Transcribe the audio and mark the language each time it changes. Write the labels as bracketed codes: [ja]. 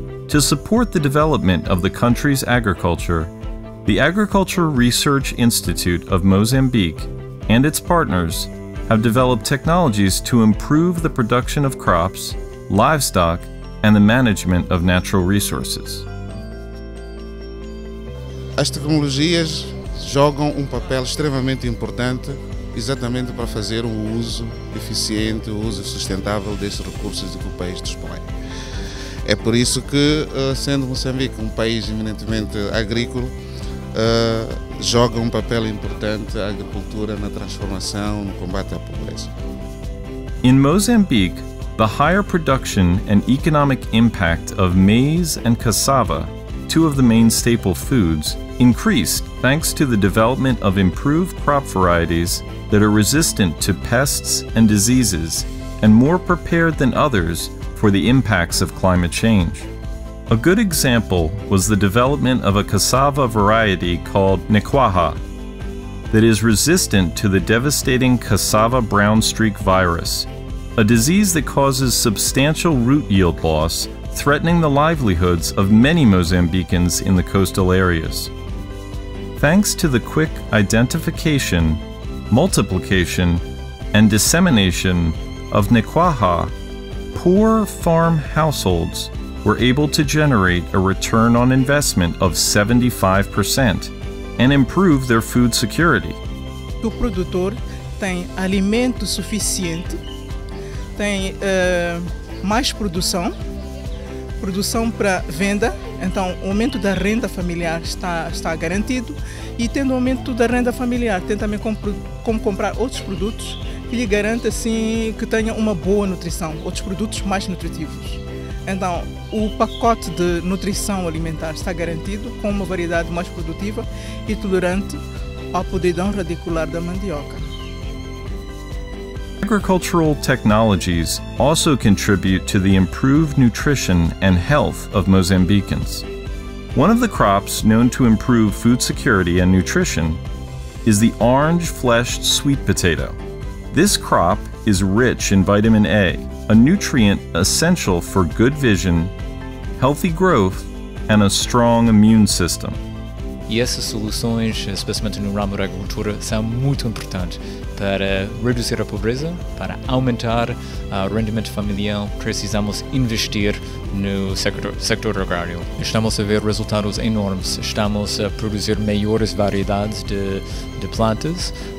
[en] To support the development of the country's agriculture, the Agriculture Research Institute of Mozambique and its partners have developed technologies to improve the production of crops, livestock, and the management of natural resources. [pt] As tecnologias jogam papel extremamente importante exatamente para fazer uso eficiente, uso sustentável desses recursos que o país dispõe. É por isso que, sendo Moçambique país eminentemente agrícola, joga papel importante a agricultura na transformação, no combate à pobreza. [en] In Mozambique, the higher production and economic impact of maize and cassava, two of the main staple foods, increased thanks to the development of improved crop varieties that are resistant to pests and diseases and more prepared than others for the impacts of climate change. A good example was the development of a cassava variety called Nikwaha that is resistant to the devastating cassava brown streak virus, a disease that causes substantial root yield loss, threatening the livelihoods of many Mozambicans in the coastal areas. Thanks to the quick identification, multiplication, and dissemination of Nikwaha, poor farm households were able to generate a return on investment of 75% and improve their food security. [pt] O produtor tem alimento suficiente, tem mais produção, produção para venda, então o aumento da renda familiar está garantido e tendo aumento da renda familiar, tem também como comprar outros produtos que lhe garante assim que tenha uma boa nutrição, outros produtos mais nutritivos. Então, o pacote de nutrição alimentar está garantido com uma variedade mais produtiva e tolerante à podridão radicular da mandioca. [en] Agricultural technologies also contribute to the improved nutrition and health of Mozambicans. One of the crops known to improve food security and nutrition is the orange-fleshed sweet potato. This crop is rich in vitamin A, a nutrient essential for good vision, healthy growth, and a strong immune system. [pt] E essas soluções, especialmente no ramo da agricultura, são muito importantes para reduzir a pobreza, para aumentar o rendimento familiar. Precisamos investir no sector agrário. Estamos a ver resultados enormes. Estamos a produzir maiores variedades de plantas.